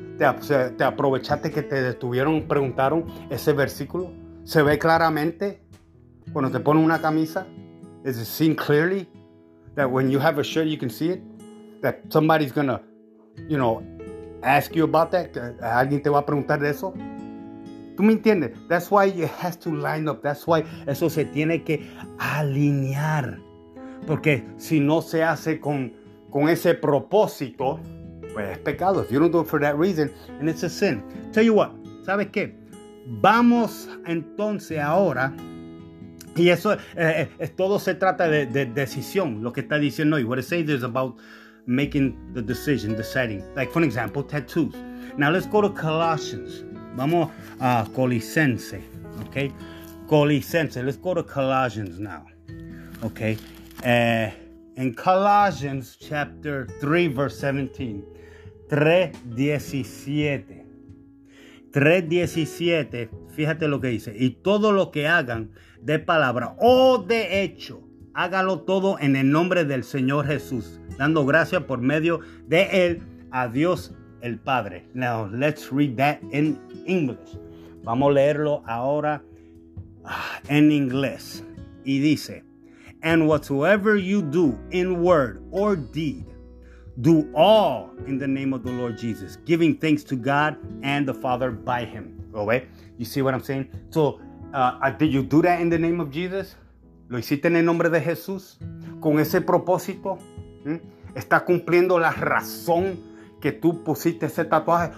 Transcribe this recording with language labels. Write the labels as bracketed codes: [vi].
[es] Te aprovechaste que te detuvieron, preguntaron ese versículo. ¿Se ve claramente cuando te ponen una camisa? [en] Is it seen clearly that when you have a shirt you can see it? That somebody's gonna, you know, ask you about that? [es] ¿Alguien te va a preguntar de eso? ¿Tú me entiendes? [en] That's why it has to line up. That's why [es] eso se tiene que alinear. Porque si no se hace con ese propósito, pues es pecado. [en] If you don't do it for that reason, and it's a sin. Tell you what, [es] ¿sabes qué? Vamos entonces ahora, y eso todo se trata de decisión, lo que está diciendo hoy. [en] What it says is about making the decision, deciding. Like, for example, tattoos. Now, let's go to Colossians. [es] Vamos a Colosense, [en] okay? Colosense, let's go to Colossians now, okay? In Colossians chapter 3, verse 17. 3:17. [es] 3:17, fíjate lo que dice. Y todo lo que hagan de palabra o de hecho, hágalo todo en el nombre del Señor Jesús, dando gracias por medio de Él a Dios el Padre. [en] Now, let's read that in English. [es] Vamos a leerlo ahora en inglés. Y dice, [en] and whatsoever you do in word or deed, do all in the name of the Lord Jesus, giving thanks to God and the Father by Him. Okay? You see what I'm saying? So, did you do that in the name of Jesus? [es] ¿Lo hiciste en el nombre de Jesús? ¿Con ese propósito? ¿Estás cumpliendo la razón que tú pusiste ese tatuaje?